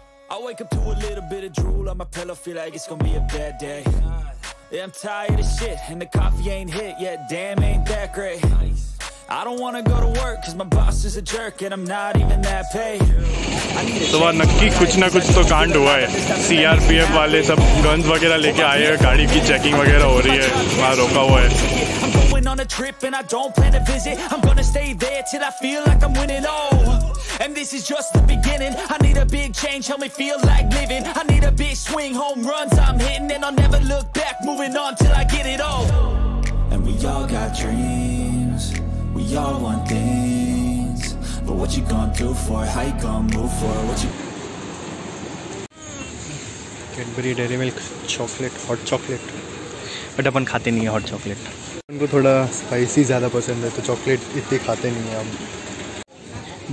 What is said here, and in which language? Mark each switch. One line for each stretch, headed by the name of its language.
English: I wake up to a little bit of drool on my pillow, feel like it's gonna be a bad day. Yeah, I'm tired of shit, and the coffee ain't hit yet, damn, ain't that great. I don't wanna go to work, cause my boss is a jerk, and I'm not even that paid.
Hindi: सुबह नक्की कुछ ना कुछ तो कांड हुआ है। CRPF वाले सब गन्स वगैरह लेके आए हैं, गाड़ी की चेकिंग वगैरह हो रही है, वहाँ रोका हुआ है।
English: I'm going on a trip and I don't plan to visit, I'm gonna stay there till I feel like I'm winning all. And this is just the beginning, I need a big change, help me feel like living. I need a big swing, home runs I'm hitting, and I'll never look back, moving on till I get it all. And we all got dreams, we all want things, but what you gonna do for it, how you gonna move for it, what you... Cadbury Dairy Milk Chocolate, Hot Chocolate, but
Hindi: अपन खाते नहीं है
English: Hot Chocolate.
Hindi: उनको थोड़ा spicy ज़्यादा पसंद है, तो chocolate इतनी खाते नहीं है हम.